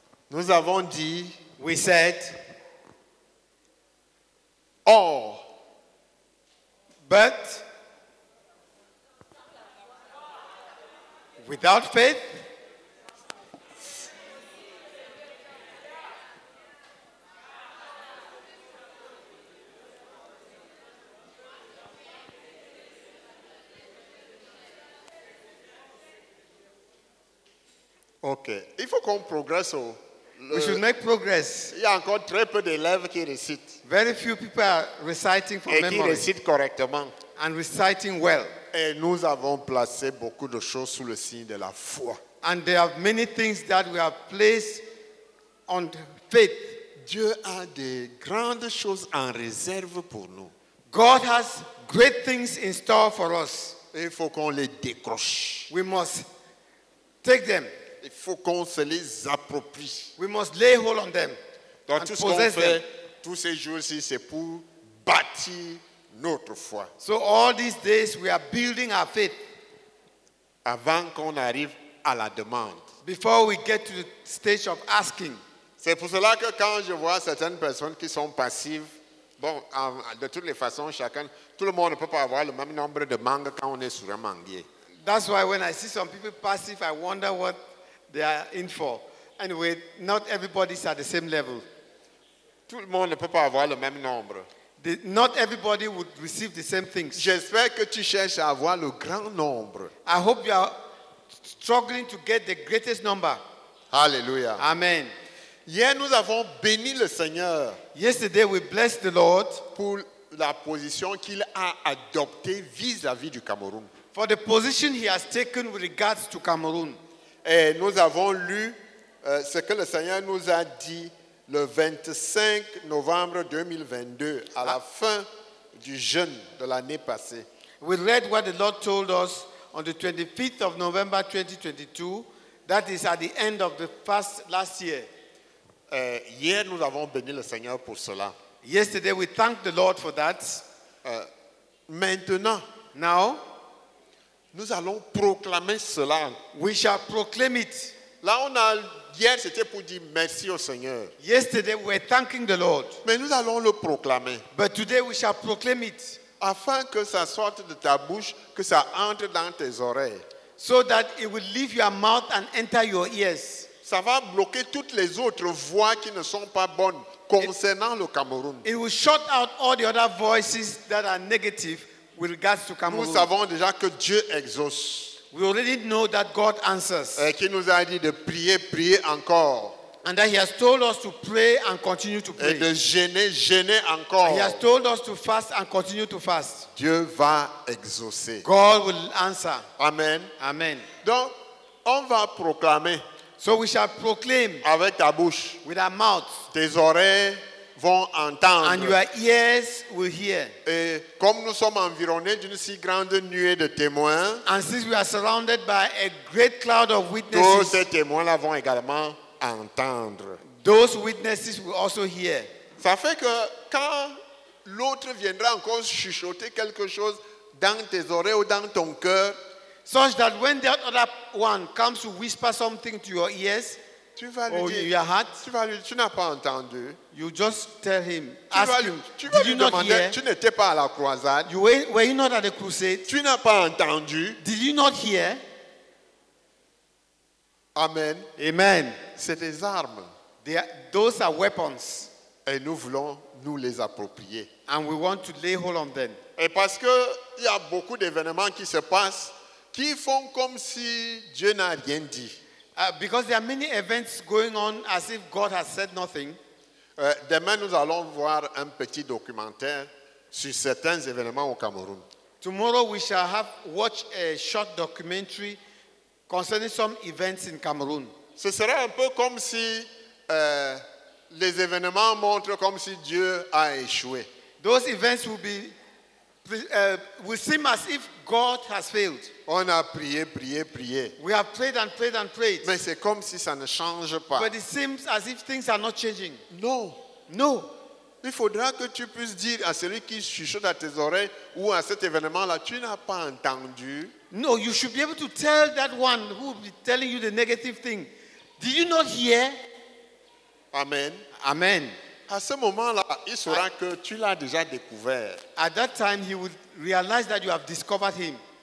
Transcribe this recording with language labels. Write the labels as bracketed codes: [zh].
[fr] Nous avons dit, [en] we said, all, but without faith, ok. [fr] Il faut qu'on progresse. [en] We should make progress. [fr] Il y a encore très peu d'élèves qui récitent. [en] Very few people are reciting from [fr] et [en] memory. [fr] Et qui récitent correctement. [en] And reciting well. [fr] Et nous avons placé beaucoup de choses sous le signe de la foi. [en] And there are many things that we have placed on faith. [fr] Dieu a des grandes choses en réserve pour nous. [en] God has great things in store for us. [fr] Et il faut qu'on les décroche. [en] We must take them. [fr] Il faut qu'on se les approprie. [en] We must lay hold on them. [fr] Donc tout ce qu'on fait tous ces jours-ci, c'est pour bâtir notre foi. [en] So all these days, we are building our faith. [fr] Avant qu'on arrive à la demande. [en] Before we get to the stage of asking. [fr] C'est pour cela que quand je vois certaines personnes qui sont passives, bon, de toutes les façons, chacun, tout le monde ne peut pas avoir le même nombre de mangues quand on est sur un manguier. [en] That's why when I see some people passive, I wonder what they are in for. Anyway, not everybody is at the same level. [fr] Tout le monde ne peut pas avoir le même nombre. [en] Not everybody would receive the same things. [fr] J'espère que tu cherches à avoir le grand nombre. [en] I hope you are struggling to get the greatest number. Hallelujah. Amen. [fr] Hier, nous avons béni le Seigneur. [en] Yesterday, we blessed the Lord. [fr] Pour la position qu'il a adoptée vis-à-vis du Cameroun. [en] For the position he has taken with regards to Cameroon. [fr] Et nous avons lu ce que le Seigneur nous a dit le 25 novembre 2022, à la fin du jeûne de l'année passée. [en] We read what the Lord told us on the 25th of November 2022, that is at the end of the fast last year. [fr] Hier, nous avons béni le Seigneur pour cela. [en] Yesterday, we thanked the Lord for that. [fr] Maintenant, [en] now, [fr] nous allons proclamer cela. [en] We shall proclaim it. [fr] Là, on a, hier, c'était pour dire merci au Seigneur. [en] Yesterday, we were thanking the Lord. [fr] Mais nous allons le proclamer. [en] But today, we shall proclaim it. [fr] Afin que ça sorte de ta bouche, que ça entre dans tes oreilles. [en] So that it will leave your mouth and enter your ears. [fr] Ça va bloquer toutes les autres voix qui ne sont pas bonnes concernant le Cameroun. [en] It will shut out all the other voices that are negative with regards to Cameroon. [fr] Nous savons déjà que Dieu exauce. [en] We already know that God answers. [fr] Et qu'il nous a dit de prier, prier encore. [en] And that he has told us to pray and continue to pray. [fr] Et de jeûner, jeûner encore. [en] And he has told us to fast and continue to fast. [fr] Dieu va exaucer. [en] God will answer. Amen. Amen. [fr] Donc, on va proclamer. [en] So we shall proclaim [fr] avec ta bouche, [en] with our mouth. [fr] Tes oreilles vont entendre. [en] And your ears will hear. [fr] Et comme nous sommes environnés d'une si grande nuée de témoins, [en] and since we are surrounded by a great cloud of witnesses, [fr] tous ces témoins-là vont également entendre. [en] Those witnesses will also hear. [fr] Ça fait que quand l'autre viendra encore chuchoter quelque chose dans tes oreilles ou dans ton cœur, [en] such that when the other one comes to whisper something to your ears, [fr] tu vas lui [en] or [fr] dire, [en] your heart, [fr] tu vas lui, tu n'as pas entendu. [en] You just tell him, [fr] tu [en] ask [fr] vas, [en] him, [fr] tu [en] did you not [fr] demander, [en] hear? [fr] Tu n'étais pas à la croisade. [en] You were you not at the crusade? [fr] Tu n'as pas entendu. [en] Did you not hear? Amen. Amen. [fr] C'est des armes. [en] Those are weapons. [fr] Et nous voulons nous les approprier. [en] And we want to lay hold on them. [fr] Et parce que il y a beaucoup d'événements qui se passent qui font comme si Dieu n'a rien dit. [en] Because there are many events going on as if God has said nothing. [fr] Demain nous allons voir un petit documentaire sur certains événements au Cameroun. [en] Tomorrow we shall have watch a short documentary concerning some events in Cameroon. [fr] Ce sera un peu comme si les événements montrent comme si Dieu a échoué. [en] Those events will be will seem as if God has failed. [fr] On a prié, prié, prié. [en] We have prayed and prayed and prayed. [fr] Mais c'est comme si ça ne change pas. [en] But it seems as if things are not changing. No. No. [fr] Il faudra que tu puisses dire à celui qui chuchote à tes oreilles ou à cet événement-là, tu n'as pas entendu. [en] No, you should be able to tell that one who will be telling you the negative thing. Did you not hear? Amen. Amen. [fr] À ce moment-là, il saura que tu l'as déjà découvert. [en] At that time, he will realize that you have discovered him.